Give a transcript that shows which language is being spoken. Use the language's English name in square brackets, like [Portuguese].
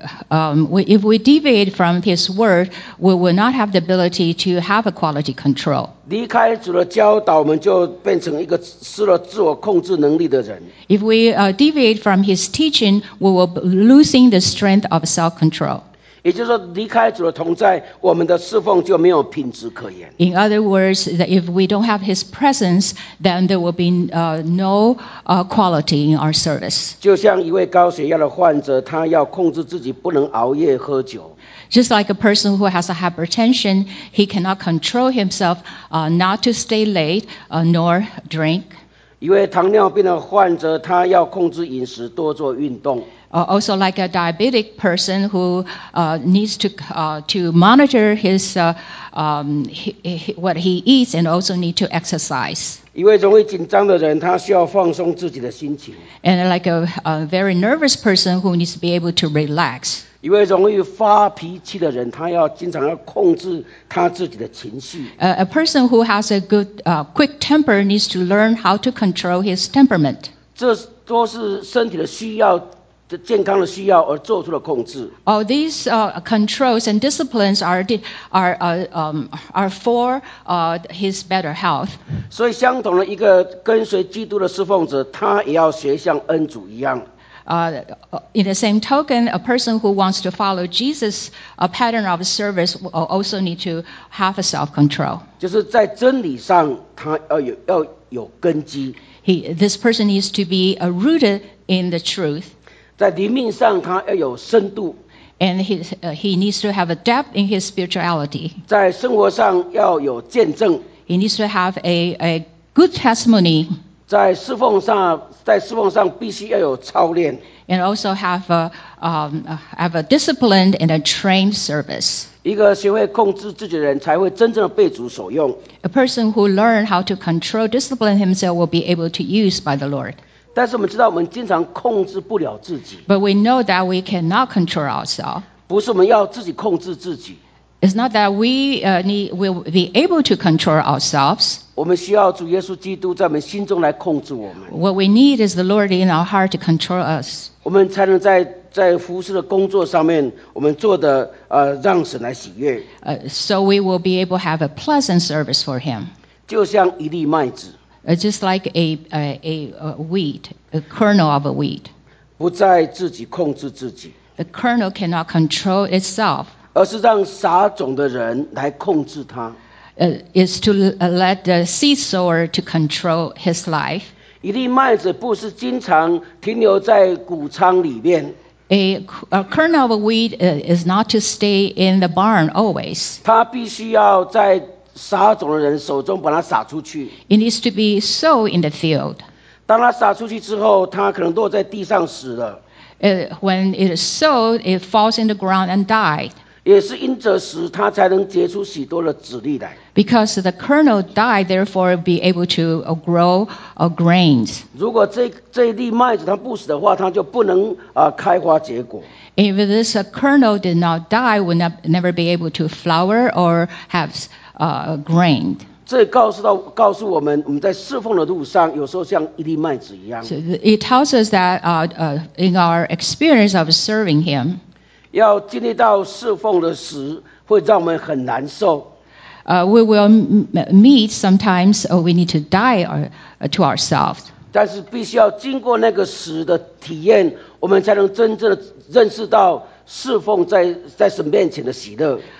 [English] If we deviate from His word, we will not have the ability to have a quality control. [Chinese] 离开主的教导，我们就变成一个失了自我控制能力的人。 [English] If we deviate from His teaching, we will losing the strength of self-control. [Chinese] 也就是说，离开主的同在，我们的侍奉就没有品质可言。 [English] In other words, if we don't have His presence, then there will be no quality in our service. [Chinese] 就像一位高血压的患者，他要控制自己不能熬夜喝酒。 [English] Just like a person who has a hypertension, he cannot control himself not to stay late nor drink. [Chinese] 一位糖尿病的患者，他要控制饮食，多做运动。 [English] Also like a diabetic person who needs to monitor his what he eats and also need to exercise. [Chinese] 一位容易紧张的人，他需要放松自己的心情。 [English] And like a very nervous person who needs to be able to relax. [Chinese] 一位容易发脾气的人，他要经常要控制他自己的情绪。 [English] A person who has a good quick temper needs to learn how to control his temperament. [Chinese] 这都是身体的需要。健康的需要而做出了控制。 [English] All these controls and disciplines are for his better health. [Chinese] 所以相同的一个跟随基督的侍奉者，他也要学像恩主一样。 [English] In the same token, a person who wants to follow Jesus' pattern of service will also need to have a self-control. [Chinese] 就是在真理上，他要有根基。 [English] This person needs to be rooted in the truth. [Chinese] 在灵命上，他要有深度。 [English] And he needs to have a depth in his spirituality. [Chinese] 在生活上要有见证。 [English] He needs to have a good testimony. [Chinese] 在侍奉上，必须要有操练。 [English] And also have a disciplined and a trained service. [Chinese] 一个学会控制自己的人，才会真正的被主所用。 [English] A person who learns how to control, discipline himself will be able to use by the Lord. [Chinese] 但是我们知道，我们经常控制不了自己。 [English] But we know that we cannot control ourselves. [Chinese] 不是我们要自己控制自己。 [English] It's not that we will be able to control ourselves. [Chinese] 我们需要主耶稣基督在我们心中来控制我们。 [English] What we need is the Lord in our heart to control us. [Chinese] 我们才能在服事的工作上面，我们做的让神来喜悦。 [English] So we will be able to have a pleasant service for Him. [Chinese] 就像一粒麦子。 [English] Just like a wheat, a kernel of a wheat. [Chinese] 不再自己控制自己。 [English] The kernel cannot control itself. [Chinese] 而是让撒种的人来控制它。 [English] Is to let the seed sower to control his life. [Chinese] 一粒麦子不是经常停留在谷仓里面。 [English] A kernel of a wheat is not to stay in the barn always. [Chinese] 它必须要在撒种的人手中把它撒出去。 [English] It needs to be sown in the field. [Chinese] 当它撒出去之后，它可能落在地上死了。 [English] When it is sown, it falls in the ground and died. [Chinese] 也是因着死，它才能结出许多的籽粒来。 [English] Because the kernel died, therefore be able to grow grains. [Chinese] 如果这粒麦子它不死的话，它就不能开花结果。 [English] If this kernel did not die, would never be able to flower or have. Grain. [Chinese] 这告诉我们，我们在侍奉的路上，有时候像一粒麦子一样。 [English] So it tells us that in our experience of serving Him, [Chinese] 要经历到侍奉的时，会让我们很难受。 [English] We will meet sometimes, or we need to die to ourselves. [Chinese] 但是必须要经过那个时的体验，我们才能真正的认识到侍奉在神面前的喜乐。